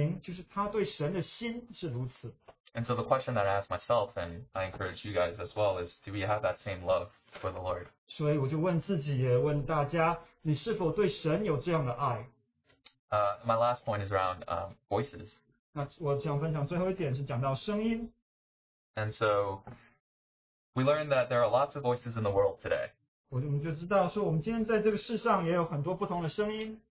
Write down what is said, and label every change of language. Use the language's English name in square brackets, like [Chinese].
[Chinese] 实在何等的显明，就是他对神的心是如此。 [English] And so the question that I ask myself, and I encourage you guys as well, is do we have that same love for the Lord? [Chinese] 所以我就问自己，也问大家，你是否对神有这样的爱？ [English] My last point is around voices. [Chinese] 那我想分享最后一点是讲到声音。 [English] And so we learn that there are lots of voices in the world today. [Chinese] 我们就知道说，我们今天在这个世上也有很多不同的声音。